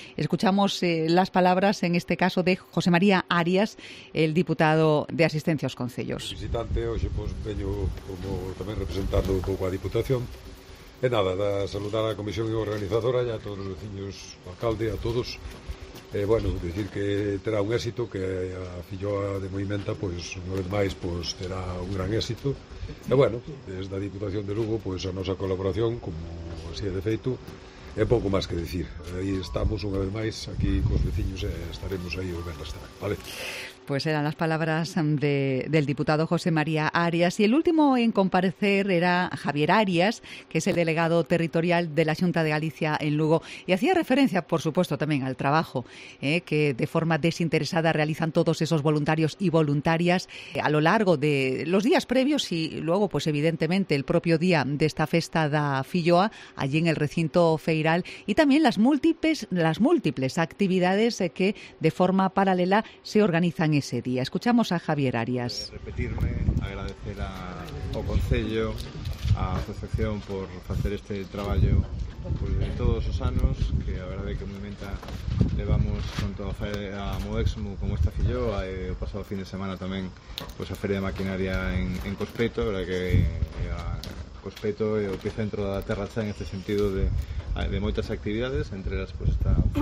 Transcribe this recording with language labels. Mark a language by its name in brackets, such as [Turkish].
[Spanish] Escuchamos las palabras, en este caso, de José María Arias, el diputado de Asistencia aos Concellos. [Galician] Visitante, hoxe, pois, veño como tamén representando un pouco a Diputación. E nada, da saludar a Comisión e Organizadora, ya a todos os veciños, o alcalde, a todos. Bueno, decir que terá un éxito, que a filloa de Movimenta, pois, unha vez máis, pois, terá un gran éxito. E bueno, desde a Diputación de Lugo, pois, a nosa colaboración, como así é de feito, é pouco máis que decir. Aí estamos unha vez máis aquí cos veciños e estaremos aí o venres, vale? [Spanish] Pues eran las palabras del diputado José María Arias. Y el último en comparecer era Javier Arias, que es el delegado territorial de la Xunta de Galicia en Lugo. Y hacía referencia, por supuesto, también al trabajo que de forma desinteresada realizan todos esos voluntarios y voluntarias a lo largo de los días previos y luego, pues evidentemente, el propio día de esta festa da Filloa, allí en el recinto feiral, y también las múltiples actividades que de forma paralela se organizan ese día. Escuchamos a Javier Arias. [Galician] Repetirme, agradecer ao Concello, á Asociación por facer este traballo pues, de todos os anos, que a verdade que momenta levamos tanto a Moexmo como esta Filloa, e o pasado fin de semana tamén pues, a Feria de Maquinaria en Cospeito, verdade que a Cospeito é o epicentro da Terra Chá en este sentido de moitas actividades, entre elas pues, esta